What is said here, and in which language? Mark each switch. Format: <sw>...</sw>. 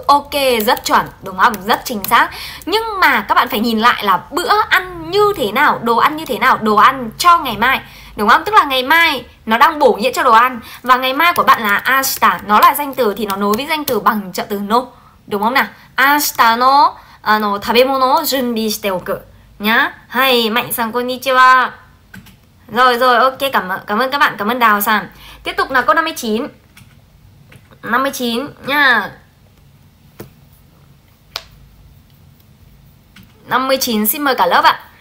<vi>Ok, rất chuẩn, đúng không? Rất chính xác. Nhưng mà các bạn phải nhìn lại là bữa ăn như thế nào, đồ ăn như thế nào, đồ ăn cho ngày mai. Đúng không? Tức là ngày mai nó đang bổ nghĩa cho đồ ăn. Và ngày mai của bạn là ashita. Nó là danh từ thì nó nối với danh từ bằng trợ từ no. Đúng không nào?</vi> <ja>明日の食べ物を準備しておく</ja> <vi>nhá. Hay, Mạnh san</vi> <ja>konnichiwa.</ja> <vi>Rồi rồi, ok, cảm ơn các bạn, cảm ơn Đào san. Tiếp tục là câu 59. 59 nha. 59 xin mời cả lớp ạ.</vi>